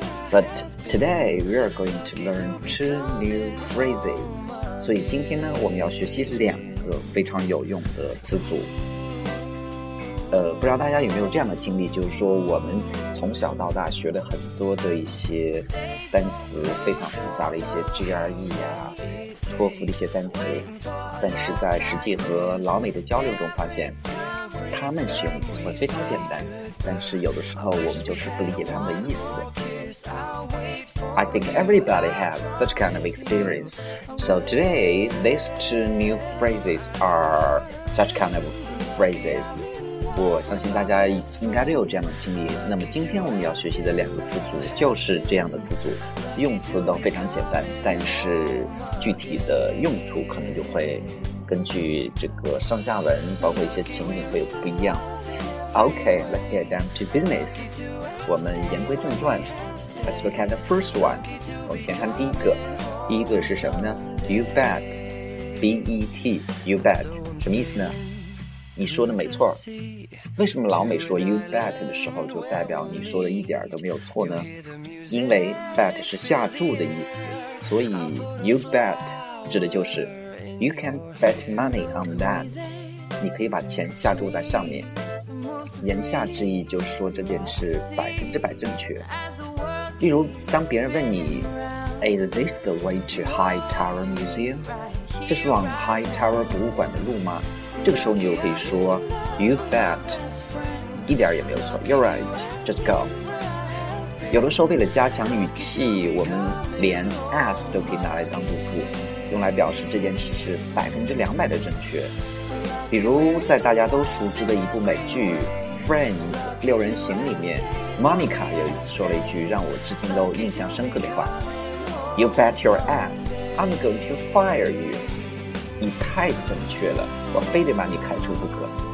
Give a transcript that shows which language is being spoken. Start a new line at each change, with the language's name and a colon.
English: But today we are going to learn two new phrases.
Chinese: 所以今天呢，我们要学习两个非常有用的词组。不知道大家有没有这样的经历，就是说我们从小到大学了很多的一些单词，非常复杂的一些 GRE 啊、托福的一些单词，但是在实际和老美的交流中发现，他们使用词汇非常简单，但是有的时候我们就是不理解他们的意思。
English: I think everybody has such kind of experience. So today, these two new phrases are such kind of phrases.
Chinese: 我相信大家应该都有这样的经历。那么今天我们要学习的两个词组就是这样的词组，用词都非常简单，但是具体的用处可能就会根据这个上下文，包括一些情景会不一样。
English: OK, let's get down to business.
Chinese: 我们言归正传。
English: Let's look at the first one.
Chinese: 我们先看第一个。第一个是什么呢？ You bet, B-E-T, you bet, 什么意思呢？你说的没错。为什么老美说 you bet 的时候就代表你说的一点都没有错呢？因为 bet 是下注的意思，所以 you bet 指的就是
English: you can bet money on that，
Chinese: 你可以把钱下注在上面。言下之意就是说这件事百分之百正确。例如当别人问你
English: is this the way to High Tower Museum，
Chinese: 这是往 High Tower 博物馆的路吗？这个时候你就可以说 You bet， 一点也没有错。
English: You're right, just go。
Chinese: 有的时候为了加强语气，我们连 as 都可以拿来当助词，用来表示这件事是百分之两百的正确。比如在大家都熟知的一部美剧 Friends 六人行里面， Monica 有一次说了一句让我至今都印象深刻的话，
English: You bet your ass I'm going to fire you，
Chinese: 你太正确了，我非得把你开除不可。